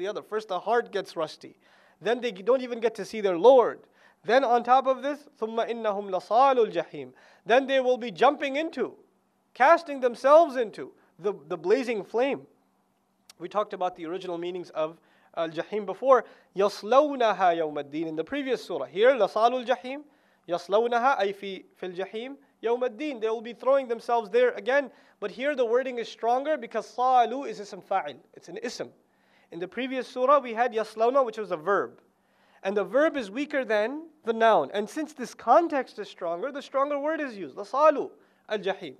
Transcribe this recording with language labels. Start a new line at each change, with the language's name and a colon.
English: First the heart gets rusty. Then they don't even get to see their Lord. Then on top of this,
Arabic: ثُمَّ إِنَّهُمْ لَصَالُ الْجَحِيمِ.
English: Then they will be jumping into, casting themselves into the blazing flame. We talked about the original meanings of al-jahim before.
Arabic: يَصْلَوْنَهَا يَوْمَ الدِّينِ.
English: In the previous surah, here,
Arabic: لَصَالُ الْجَحِيمِ يَصْلَوْنَهَا أَي فِي الْجَحِيمِ يَوْمَ الدِّينِ.
English: They will be throwing themselves there again. But here the wording is stronger because صَالُ is ism fa'il. It's an ism. In the previous surah, we had yaslawna, which was a verb. And the verb is weaker than the noun. And since this context is stronger, the stronger word is used.
Arabic: لَصَالُ الْجَحِيمِ.